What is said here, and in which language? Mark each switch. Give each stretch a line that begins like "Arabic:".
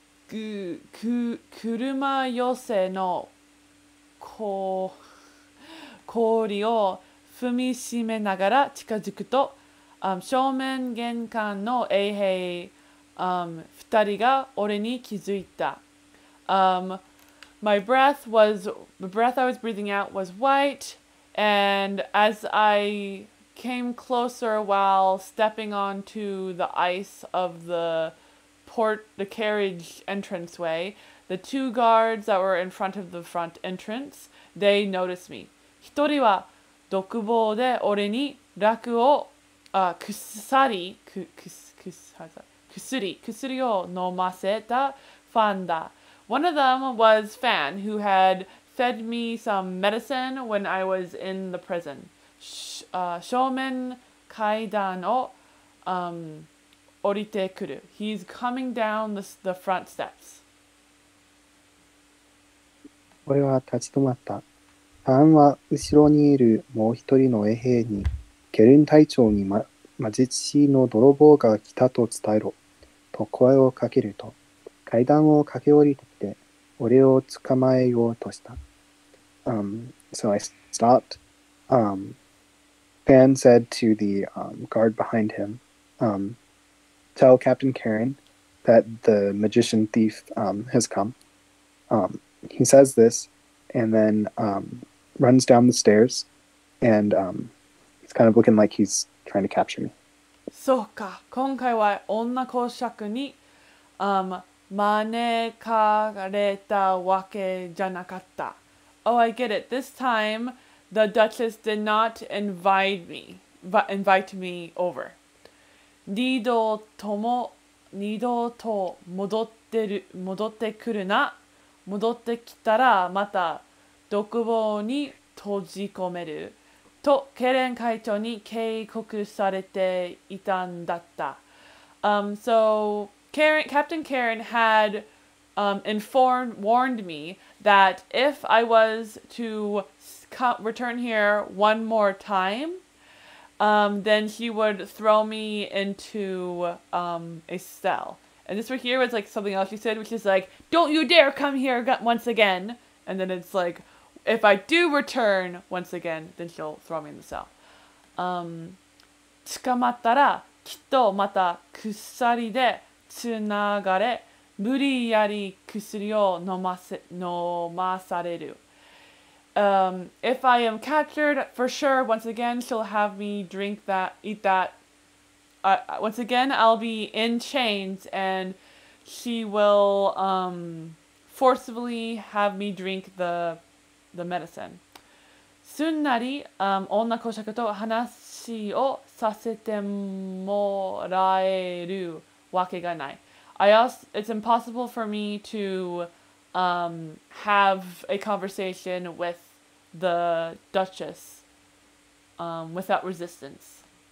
Japanese: 車寄せの氷を踏みしめながら近づくと、正面玄関の衛兵、二人が俺に気づいた。
English: The breath I was breathing out was white, and as I came closer while stepping onto the ice of the carriage entranceway, the two guards that were in front of the front entrance, they noticed me.
Japanese: 一人は独房で俺に楽を、薬を飲ませたファンだ。
English: One of them was Fan, who had fed me some medicine when I was in the prison.
Japanese: 正面階段を降りてくる。
English: He's coming down the front steps.
Japanese: 俺は立ち止まった。ファンは後ろにいるもう一人の衛兵に、ケルン隊長に魔術師の泥棒が来たと伝えろ、と声をかけると、階段を駆け降りてきて、俺を捕まえようとした。
English: So I stopped. Fan said to the guard behind him, tell Captain Karen that the magician thief has come. He says this and then runs down the stairs and he's kind of looking like he's trying to capture me.
Japanese: そうか、今回は女公爵に招かれたわけじゃなかった。
English: Oh, I get it. This time, the Duchess did not invite me over.
Japanese: 二度と戻ってくるな。戻ってきたらまた独房に閉じ込める。と、ケレン会長に警告されていたんだった。
English: Captain Karen had warned me that if I was to return here one more time, then she would throw me into a cell. And this right here was like something else she said, which is like, don't you dare come here once again. And then it's like, if I do return once again, then she'll throw me in the cell.
Japanese: 捕まったらきっとまた鎖でつながれ、無理やり薬を飲まされる。
English: If I am captured, for sure, once again, she'll have me drink that, eat that. Once again, I'll be in chains, and she will forcibly have me drink the medicine.
Japanese: すんなり、女公爵と話をさせてもらえるわけがない。
English: It's impossible for me to have a conversation with the Duchess without resistance.